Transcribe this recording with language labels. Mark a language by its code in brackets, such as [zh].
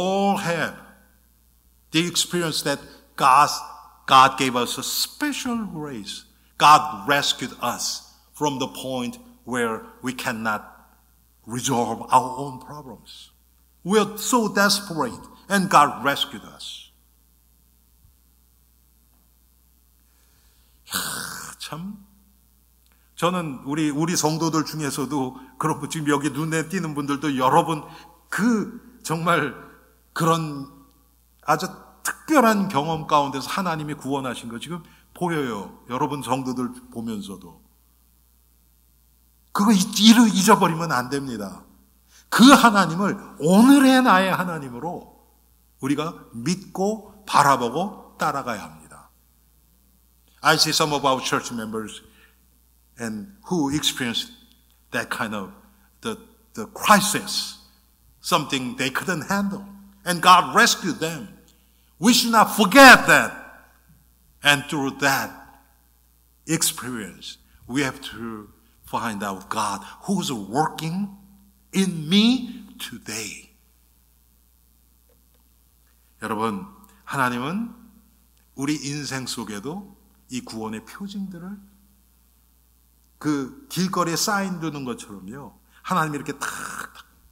[en] We all have the experience that God gave us a special grace. God rescued us from the point where we cannot resolve our own problems. We are so desperate, and God rescued us. [ko] 참, 저는 우리 성도들 중에서도 그렇고 지금 여기 눈에 띄는 분들도 여러분 그 정말 그런 아주 특별한 경험 가운데서 하나님이 구원하신 거 지금 보여요. 여러분 성도들 보면서도 그거 잊어버리면 안 됩니다. 그 하나님을 오늘의 나의 하나님으로 우리가 믿고 바라보고 따라가야 합니다. [en] I see some of our church members and who experienced that kind of the crisis, something they couldn't handle, and God rescued them. We should not forget that. And through that experience, we have to find out God who's working in me today. [ko] 여러분, 하나님은 우리 인생 속에도 이 구원의 표징들을 그 길거리에 사인 두는 것처럼요. 하나님이 이렇게 탁탁.